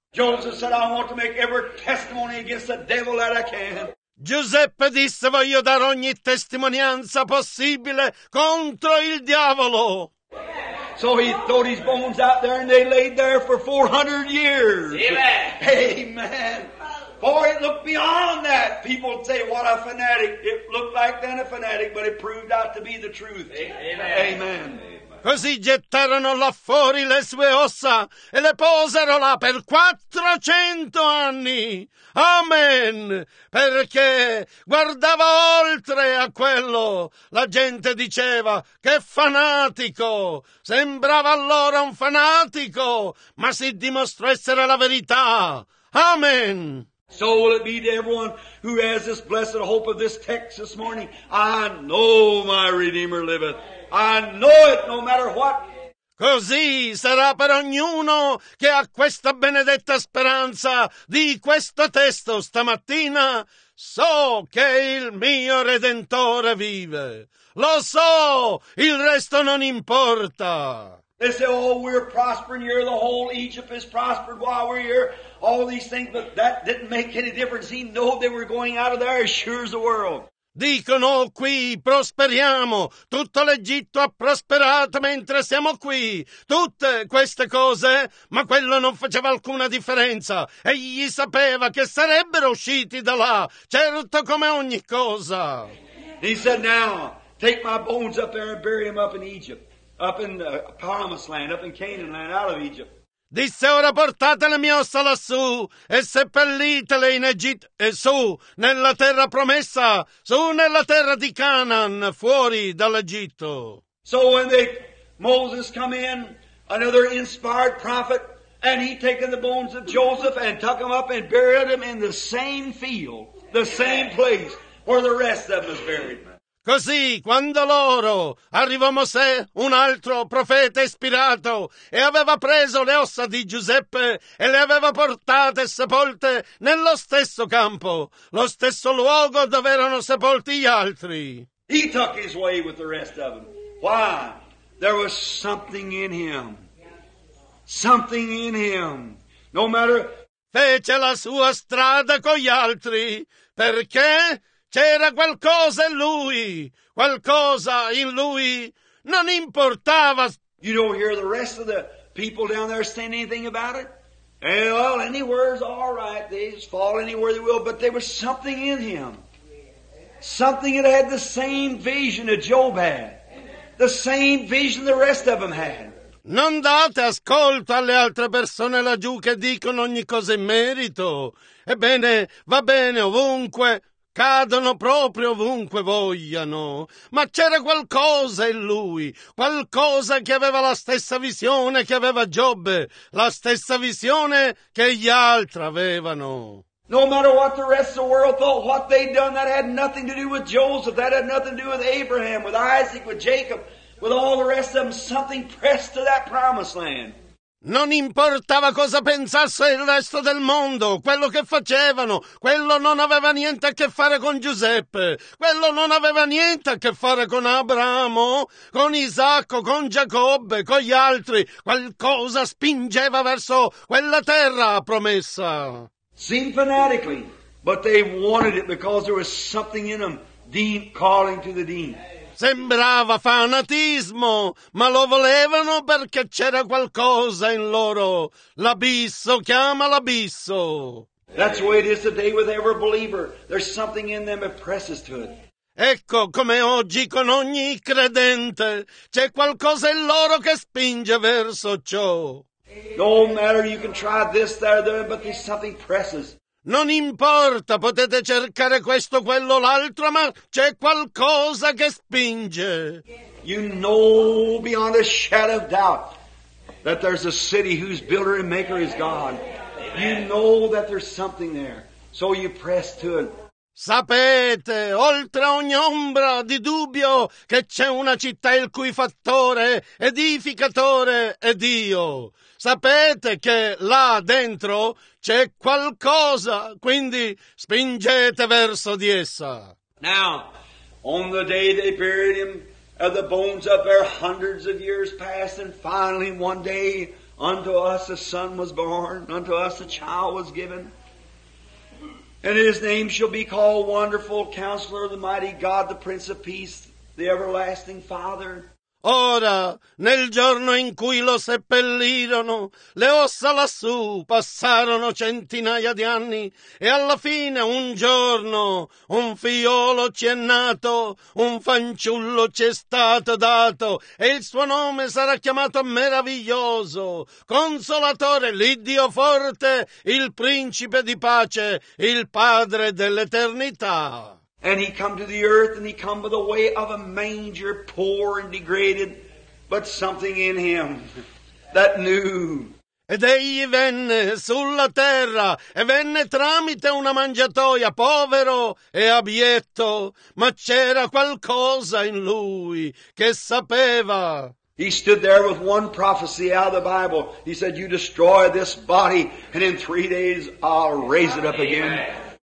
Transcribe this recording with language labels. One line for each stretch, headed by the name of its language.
English: Joseph said, "I want to make every testimony against the devil that I can."
Italian: Giuseppe disse, "Voglio dare ogni testimonianza possibile contro il diavolo."
English: So he threw his bones out there and they laid there for 400 years. Amen. Boy, it looked beyond that. People would say, "What a fanatic." It looked like then a fanatic, but it proved out to be the truth. Amen.
Italian: Così gettarono là fuori le sue ossa e le posero là per 400 anni. Amen! Perché guardava oltre a quello. La gente diceva, "Che fanatico!" Sembrava allora un fanatico, ma si dimostrò essere la verità. Amen!
English: So will it be to everyone who has this blessed hope of this text this morning. I know my Redeemer liveth. I know it no matter what.
Italian: Così sarà per ognuno che ha questa benedetta speranza di questo testo stamattina. So che il mio Redentore vive. Lo so, il resto non importa.
English: They say, "Oh, we're prospering here. The whole Egypt is prospered while we're here. All these things," but that didn't make any difference. He knew they were going out of there as sure as the world.
Italian: Dicono, "Qui prosperiamo, tutto l'Egitto ha prosperato mentre siamo qui, tutte queste cose," ma quello non faceva alcuna differenza. Egli sapeva che sarebbero usciti da là, certo come ogni cosa.
English: He said, "Now, take my bones up there and bury them up in Egypt, up in the promised land, up in Canaan land, out of Egypt."
Italian: Disse, "Ora portate le mie ossa lassù e seppellitele in Egitto, e su, nella terra promessa, su nella terra di Canaan, fuori dall'Egitto."
English: So when they, Moses come in, another inspired prophet, and he taken the bones of Joseph and took them up and buried them in the same field, the same place where the rest of them is buried.
Italian: Così, quando loro, arrivò Mosè, un altro profeta ispirato, e aveva preso le ossa di Giuseppe e le aveva portate sepolte nello stesso campo, lo stesso luogo dove erano sepolti gli altri.
English: He took his way with the rest of them. Why? There was something in him. Something in him. No matter...
Italian: Fece la sua strada con gli altri, perché... C'era qualcosa in lui, qualcosa in lui, non importava.
English: You don't hear the rest of the people down there saying anything about it? Well, anywhere's all right, they just fall anywhere they will, but there was something in him. Something that had the same vision that Job had. the same vision the rest of them had.
Italian: Non date ascolto alle altre persone laggiù che dicono ogni cosa in merito. Ebbene, va bene ovunque, cadono proprio ovunque vogliano. Ma c'era qualcosa in lui, qualcosa che aveva la stessa visione che aveva Giobbe, la stessa visione che gli altri avevano.
English: No matter what the rest of the world thought, what they'd done, that had nothing to do with Joseph, that had nothing to do with Abraham, with Isaac, with Jacob, with all the rest of them, something pressed to that promised land.
Italian: Non importava cosa pensasse il resto del mondo, quello che facevano, quello non aveva niente a che fare con Giuseppe, quello non aveva niente a che fare con Abramo, con Isacco, con Giacobbe, con gli altri, qualcosa spingeva verso quella terra promessa.
English: Seemed fanatically, but they wanted it because there was something in them deep calling to the deep.
Italian: Sembrava fanatismo, ma lo volevano perché c'era qualcosa in loro. L'abisso chiama l'abisso.
English: That's the way it is today with every believer. There's something in them that presses to it.
Italian: Ecco come oggi con ogni credente. C'è qualcosa in loro che spinge verso ciò.
English: No matter, you can try this, that, or that, but there's something presses.
Italian: Non importa, potete cercare questo, quello, l'altro, ma c'è qualcosa che spinge.
English: You know beyond a shadow of doubt that there's a city whose builder and maker is God. You know that there's something there, so you press to it.
Italian: Sapete, oltre ogni ombra di dubbio, che c'è una città il cui fattore, edificatore è Dio. Sapete che là dentro c'è qualcosa, quindi spingete verso di essa.
English: Now, on the day they buried him, the bones up there hundreds of years passed, and finally one day unto us a son was born, unto us a child was given. And his name shall be called Wonderful Counselor, the Mighty God, the Prince of Peace, the Everlasting Father.
Italian: Ora, nel giorno in cui lo seppellirono, le ossa lassù passarono centinaia di anni, e alla fine un giorno un figliolo ci è nato, un fanciullo ci è stato dato, e il suo nome sarà chiamato Meraviglioso, Consolatore, l'Iddio Forte, il Principe di Pace, il Padre dell'Eternità.
English: And he come to the earth, and he come by the way of a manger, poor and degraded, but something in him that knew.
Italian: Ed egli venne sulla terra, e venne tramite una mangiatoia, povero e abietto, ma c'era qualcosa in lui che sapeva.
English: He stood there with one prophecy out of the Bible. He said, you destroy this body, and in 3 days I'll raise it up again.